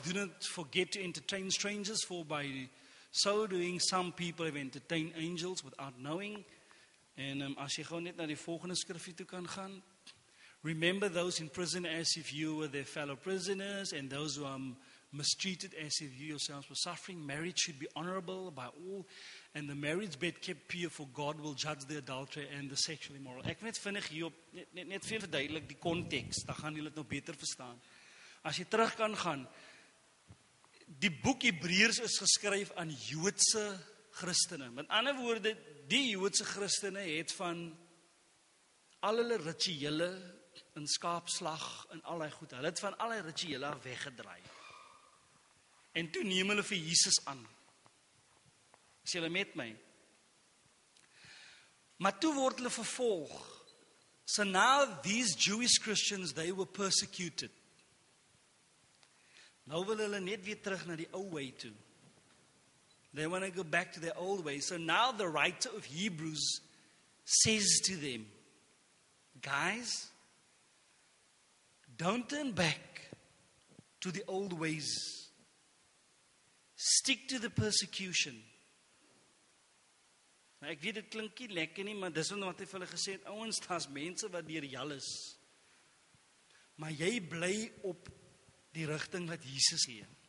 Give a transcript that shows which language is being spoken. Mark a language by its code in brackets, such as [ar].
[en] Do not forget to entertain strangers, for by so doing some people have entertained angels without knowing. [af] En as jy gou net na die volgende skrifgie toe kan gaan. [en] Remember those in prison as if you were their fellow prisoners, and those who are mistreated as if you yourselves were suffering. Marriage should be honorable by all, and the marriage bed kept pure, for God will judge the adulterer and the sexually immoral. [af] Ek net vinnig hierop, net veel verduidelik die context, dan gaan julle dit nou beter verstaan. As jy terug kan gaan, die boek Hebreërs is geskryf aan Joodse Christene. Met ander woorde, die Joodse Christene het van al hulle rituele en skaapslag en al die goed, hulle het van al die rituele weggedraai. En toe neem hulle vir Jesus aan. Is julle met my? Maar toe word hulle vervolg. [en] So now these Jewish Christians, they were persecuted. [af] Nou wil hulle net weer terug na die ou way toe. [en] They want to go back to their old way. So now the writer of Hebrews says to them, guys, don't turn back to the old ways. Stick to the persecution. [af] Nou, ek weet, dit klink nie lekker nie, maar dis wat hy vir hulle gesê het, ouens, daar's mense wat deur jou is. Maar jy bly op die rigting wat Jesus gee.